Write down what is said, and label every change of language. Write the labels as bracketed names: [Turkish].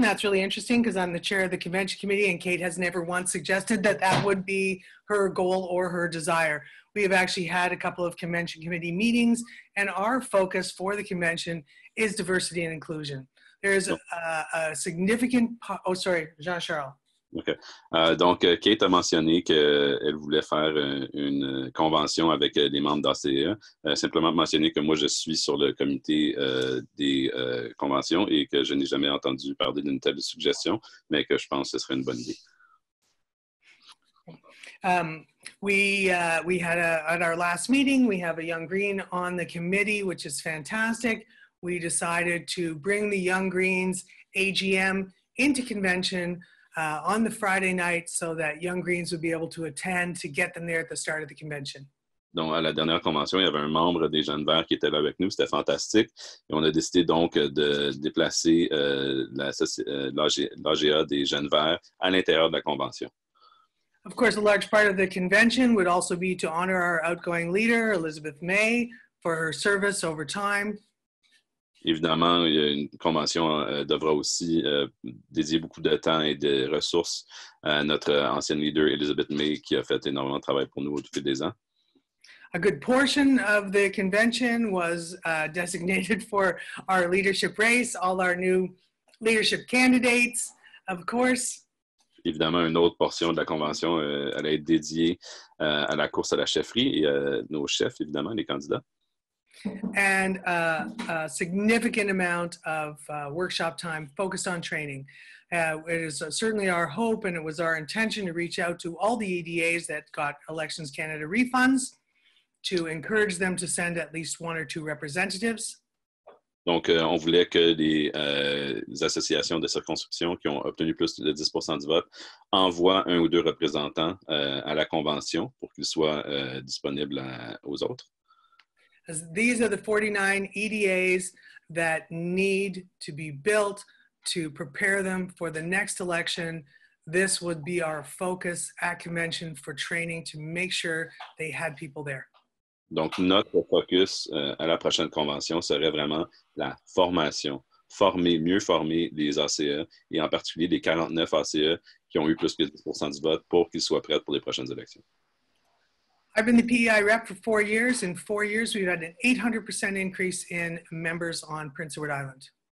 [English] That's really interesting because I'm the chair of the convention committee and Kate has never once suggested that that would be her goal or her desire. We have actually had a couple of convention committee meetings and our focus for the convention is diversity and inclusion. There is a significant... Jean-Charles. Okay. [French] Donc, Kate a mentionné qu'elle voulait faire une convention avec des membres d'ACE. Simplement mentionner que moi, je suis sur le comité des conventions et que je n'ai jamais entendu parler d'une telle suggestion, mais que je pense que ce serait une bonne idée. [English] We had at our last meeting, we have a Young Green on the committee, which is fantastic. We decided to bring the Young Greens AGM into convention on the Friday night so that Young Greens would be able to attend to get them there at the start of the convention. [French] Donc, à la dernière convention, il y avait un membre des Jeunes Verts qui était là avec nous. C'était fantastique. Et on a décidé donc de déplacer l'AGA des Jeunes Verts à l'intérieur de la convention. [English] Of course, a large part of the convention would also be to honor our outgoing leader, Elizabeth May, for her service over time. [French] Évidemment, une convention devra aussi dédier beaucoup de temps et de ressources à notre ancienne leader, Elizabeth May, qui a fait énormément de travail pour nous au fil des ans. [English] A good portion of the convention was designated for our leadership race, all our new leadership candidates, of course. [French] Évidemment, une autre portion de la convention allait être dédiée à la course à la chefferie et nos chefs, évidemment, les candidats. [English] And a significant amount of workshop time focused on training. It is certainly our hope and it was our intention to reach out to all the EDAs that got Elections Canada refunds to encourage them to send at least one or two representatives. [French] Donc, on voulait que les associations de circonscription qui ont obtenu plus de 10% du vote envoient un ou deux représentants à la convention pour qu'ils soient disponibles aux autres. [English] These are the 49 EDAs that need to be built to prepare them for the next election. This would be our focus at convention for training to make sure they had people there. [French] Donc notre focus à la prochaine convention serait vraiment la formation. Former, mieux former les ACE et en particulier les 49 ACE qui ont eu plus que 10% du vote pour qu'ils soient prêts pour les prochaines élections. [English] I've been the PEI rep for 4 years. In 4 years, we've had an 800% increase in members on Prince Edward Island.